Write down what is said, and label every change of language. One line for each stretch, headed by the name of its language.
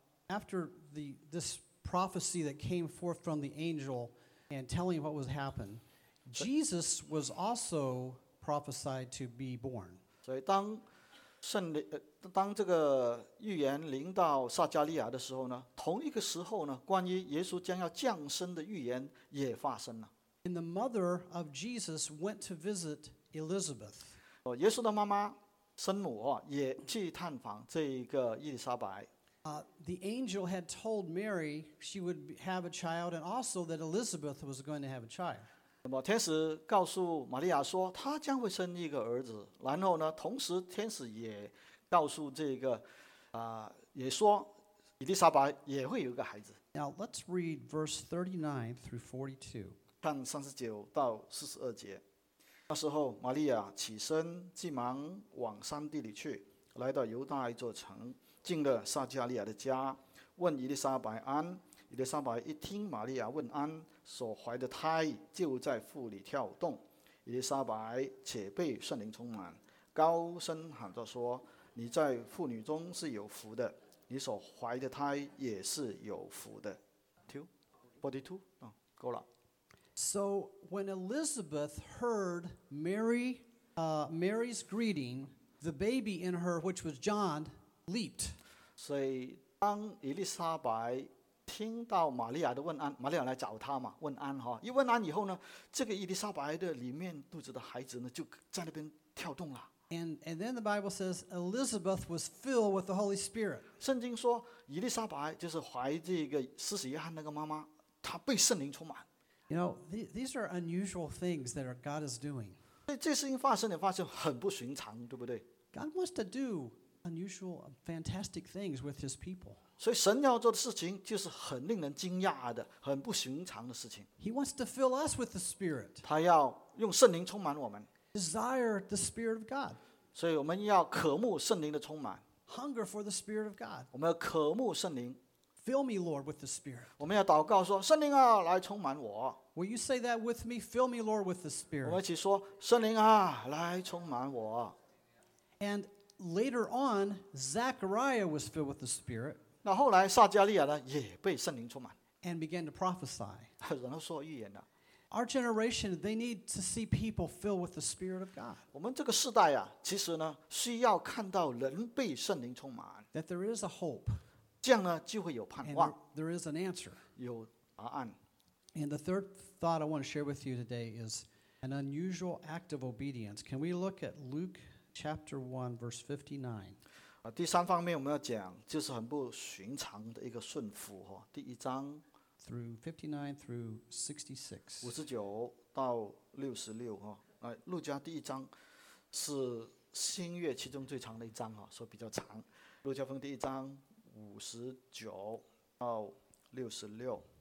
English: After this prophecy that came forth from the angel and telling what was happened, Jesus was also prophesied to be born.
Chinese: 所以当这个预言临到撒加利亚的时候呢，同一个时候呢，关于耶稣将要降生的预言也发生了。
English: And the mother of Jesus went to visit Elizabeth.
Chinese: 耶稣的妈妈生母也去探访这个伊丽莎白。
English: The angel had told Mary she would have a child, and also that Elizabeth was going to have a child.
Chinese: 那么天使告诉玛利亚说，她将会生一个儿子。然后呢，同时天使也告诉这个，也说伊丽莎白也会有一个孩子。
English: Now let's read verse 39 through 42。
Chinese: 看三十九到四十二节。那时候，玛利亚起身，急忙往山地里去，来到犹大一座城，进了撒加利亚的家，问伊丽莎白安。伊丽莎白一听玛利亚问安，所怀的胎就在腹里跳动。伊丽莎白且被圣灵充满，高声喊着说：“你在妇女中是有福的，你所怀的胎也是有福的。” 42，够了。
English: So when Elizabeth heard Mary's greeting, the baby in her, which was John, leaped.
Chinese: 所以当伊丽莎白听到玛利亚的问安，玛利亚来找他嘛，问安哈。一问安以后呢，这个伊丽莎白的里面肚子的孩子呢，就在那边跳动了。
English: And then the Bible says Elizabeth was filled with the Holy Spirit.
Chinese: 圣经说伊丽莎白就是怀这个施洗约翰那个妈妈，她被圣灵充满。
English: You know, these are unusual things that God is doing.
Chinese: 这事情发生也发生很不寻常，对不对
English: ？God wants to do unusual, fantastic things with His people.
Chinese: 所以神要做的事情就是很令人惊讶的，很不寻常的事情。
English: He wants to fill us with the Spirit.
Chinese: 他要用圣灵充满我们。
English: Desire the Spirit of God.
Chinese: 所以我们要渴慕圣灵的充满。
English: Hunger for the Spirit of God.
Chinese: 我们要渴慕圣灵。
English: Fill me, Lord, with the Spirit.
Chinese: 我们要祷告说，圣灵啊，来充满我。
English: Will you say that with me? Fill me, Lord, with the Spirit.
Chinese: 我们一起说，圣灵啊，来充满我。
English: And later on, Zechariah was filled with the Spirit.
Chinese: 那后来撒加利亚呢，也被圣灵充满。
English: And began to prophesy.
Chinese: 然后说预言呢。
English: Our generation, they need to see people filled with the Spirit of God.
Chinese: 我们这个世代啊，其实呢，需要看到人被圣灵充满。
English: That there is a hope.
Chinese: 这样呢就会有盼望
English: there is an answer.
Chinese: 有答案
English: And the third thought I want to share with you today is an unusual act of obedience. Can we look at Luke chapter 1 verse 59?
Chinese: 第三方面我们要讲就是很不寻常的一个顺服、哦、第一章
English: through 59 through 66
Chinese: 59到66、哦、来路加第一章是新约其中最长的一章、哦、所以比较长路加福音第一章59到66